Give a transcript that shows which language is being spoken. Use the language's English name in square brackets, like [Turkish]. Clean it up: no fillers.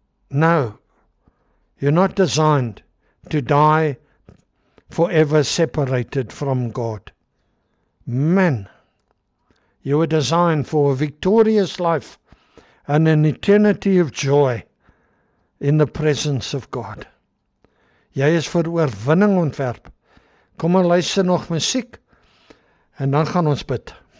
[English] No, you're not designed to die forever separated from God. Man, you were designed for a victorious life and an eternity of joy in the presence of God. [Afrikaans] Jy is vir oorwinning ontwerp. Kom en luister nog musiek en dan gaan ons bid.